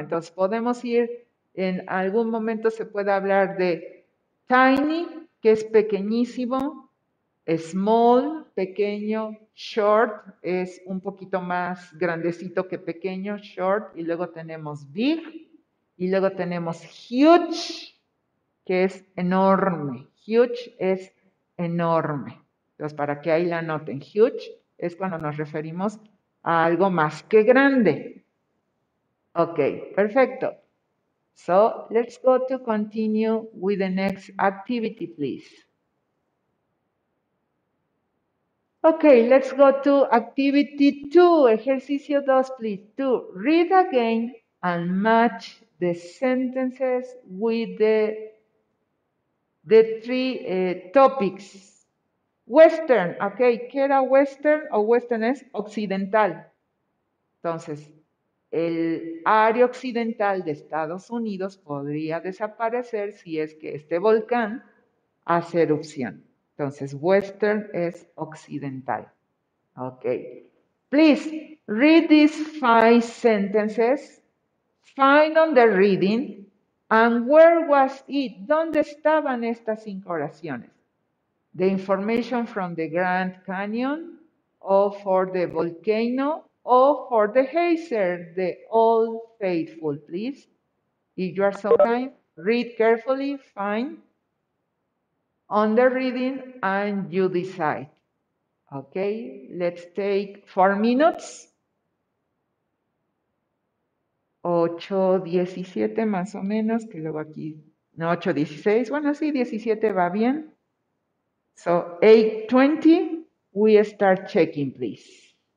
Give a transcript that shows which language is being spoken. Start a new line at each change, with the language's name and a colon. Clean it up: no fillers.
Spanish: Entonces, podemos ir, en algún momento se puede hablar de tiny, que es pequeñísimo, small, pequeño, short, es un poquito más grandecito que pequeño, short, y luego tenemos big, y luego tenemos huge, que es enorme, huge es enorme. Entonces, para que ahí la noten, huge es cuando nos referimos a algo más que grande. Ok, perfecto.
English: So, let's go to continue with the next activity, please. Ok, let's go to activity 2,
Spanish: ejercicio 2,
English: please. 2, read again and match the sentences with the three topics.
Spanish: Western, ok, ¿qué era western? O western es occidental. Entonces, el área occidental de Estados Unidos podría desaparecer si es que este volcán hace erupción. Entonces, western es occidental. Ok.
English: Please, read these five sentences. Find on the reading. And where was it?
Spanish: ¿Dónde estaban estas cinco oraciones?
English: The information from the Grand Canyon, or for the volcano, or for the geyser, the Old Faithful, please. If you are so kind, read carefully, fine. On the reading, and you decide. Okay, let's take 4 minutes.
Spanish: 8:17 más o menos, que luego aquí, no, 8:16, bueno, sí, 17 va bien.
English: So, 8:20, we start checking, please.